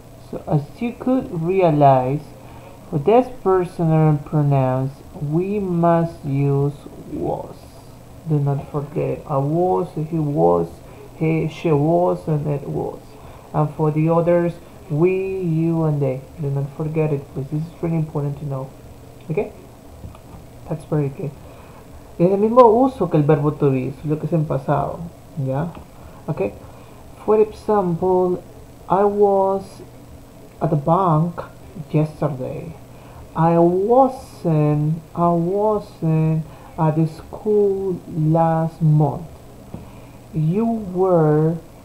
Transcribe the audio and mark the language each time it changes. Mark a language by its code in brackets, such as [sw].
[en] So as you could realize, for this personal pronouns, we must use was. Do not forget, I was, he was, he, she was, and it was. And for the others, we, you, and they. Do not forget it, because this is really important to know. Okay? That's very good. [es] Es el mismo uso que el verbo to be, lo que es en pasado. [en] Yeah? Okay? For example, I was at the bank yesterday. I wasn't at the school last month. You were